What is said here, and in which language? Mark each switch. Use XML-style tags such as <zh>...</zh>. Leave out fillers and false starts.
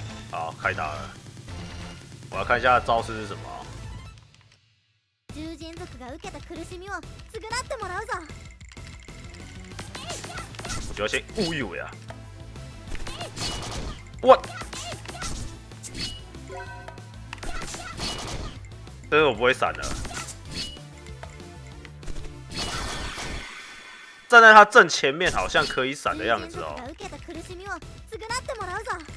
<zh>好，开打了，我要看一下招式是什么。</zh> <ja>獣人族が受けた苦しみを償ってもらうぞ。</ja> <zh>我就要先忽悠呀！我，这个我不会闪的。站在他正前面，好像可以闪的样子哦。</zh> <ja>受けた苦しみを償ってもらうぞ。</ja>